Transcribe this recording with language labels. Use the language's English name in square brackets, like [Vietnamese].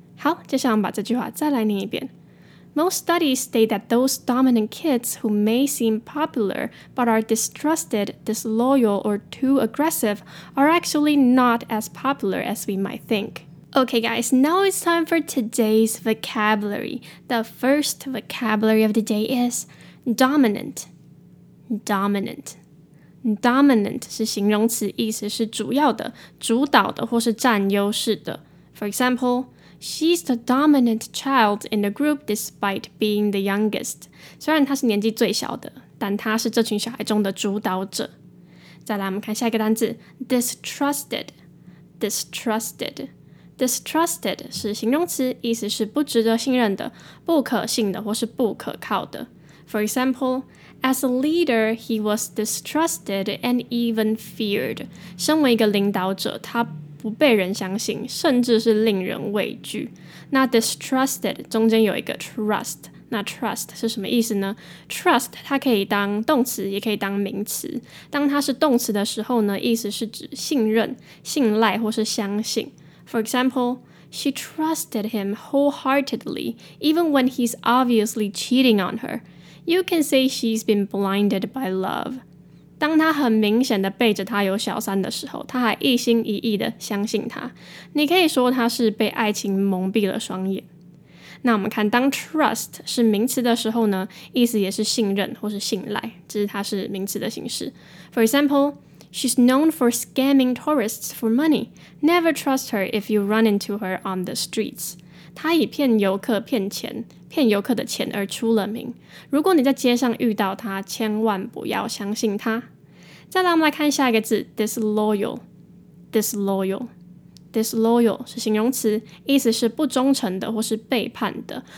[Chinese] 好，接下来我们把这句话再来念一遍。 [English] Most studies state that those dominant kids who may seem popular but are distrusted, disloyal, or too aggressive are actually not as popular as we might think. Okay, guys, now it's time for today's vocabulary. The first vocabulary of the day is dominant. [Chinese] Dominant. Dominant 是形容词，意思是主要的、主导的或是占优势的。 [English] For example, she's the dominant child in the group despite being the youngest. [Chinese] 虽然她是年纪最小的，但她是这群小孩中的主导者。再来我们看下一个单字， distrusted. Distrusted. Distrusted 是形容词，意思是不值得信任的、不可信的或是不可靠的。 [English] For example,As a leader, he was distrusted and even feared. [Chinese] 身为一个领导者，他不被人相信，甚至是令人畏惧。那 distrusted 中间有一个 trust， 那 trust 是什么意思呢？ Trust 它可以当动词，也可以当名词。当它是动词的时候呢，意思是指信任、信赖或是相信。 [English] For example,She trusted him wholeheartedly, even when he's obviously cheating on her. You can say she's been blinded by love. [Chinese] 当她很明显的背着他有小三的时候，她还一心一意的相信他。你可以说她是被爱情蒙蔽了双眼。那我们看，当 trust 是名词的时候呢，意思也是信任或是信赖，只是它是名词的形式。 [English] For example,She's known for scamming tourists for money. Never trust her if you run into her on the streets. [Chinese] 她以骗游客骗钱，骗游客的钱而出了名。如果你在街上遇到她，千万不要相信她。再来，我们来看下一个字 ，disloyal. Disloyal. Disloyal 是形容词，意思是不忠诚的或是背叛的。